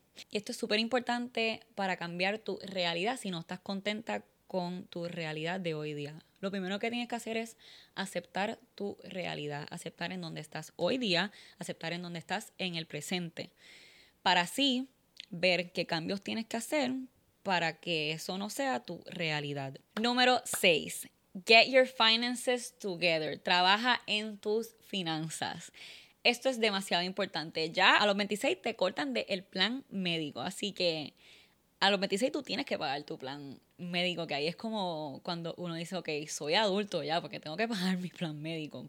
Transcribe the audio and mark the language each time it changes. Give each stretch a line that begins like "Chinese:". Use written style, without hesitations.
Spanish: Y esto es súper importante para cambiar tu realidad si no estás contenta con tu realidad de hoy día. Lo primero que tienes que hacer es aceptar tu realidad, aceptar en dónde estás hoy día, aceptar en dónde estás en el presente. Para así ver qué cambios tienes que hacer para que eso no sea tu realidad. Número 6.
English: Get your finances together.
Spanish: Trabaja en tus finanzas. Esto es demasiado importante. Ya a los 26 te cortan del plan médico. Así que a los 26 tú tienes que pagar tu plan médico. Que ahí es como cuando uno dice, ok, soy adulto ya porque tengo que pagar mi plan médico.